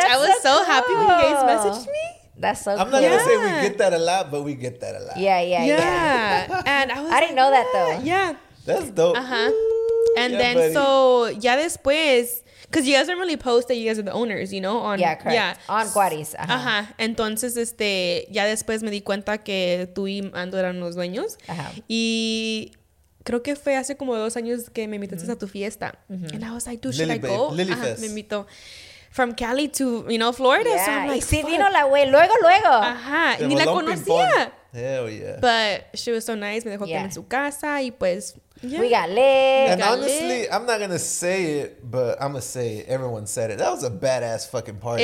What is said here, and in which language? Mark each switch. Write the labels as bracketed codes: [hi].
[en] Bitch, I was so happy when you guys messaged me. That's so cool. I'm not going to say we get that a lot, but we get that a lot. Yeah. And I didn't know that, though. Yeah. That's dope. Uh-huh. [es] Después, [en] because you guys don't really post that you guys are the owners, you know? Correct. Yeah. On Guadis. Uh-huh. [es] Entonces, ya después me di cuenta que tú y Ando eran los dueños. Uh-huh. Y creo que fue hace como 2 años que me invitaste a tu fiesta. [en] Mm-hmm. And I was like, dude, should Lily babe. Go? [es] Me invitó. [en] From Cali to, you know, Florida. Yeah. So I'm like, [es] y si vino la güey, luego. Ajá. Y ni la conocía. [en] Hell yeah. But she was so nice. [es] Me dejó comer en su casa. Y pues, [en] Yeah. We got lit. And got honestly, lit. I'm not going to say it, but I'm going to say it. Everyone said it. That was a badass fucking party.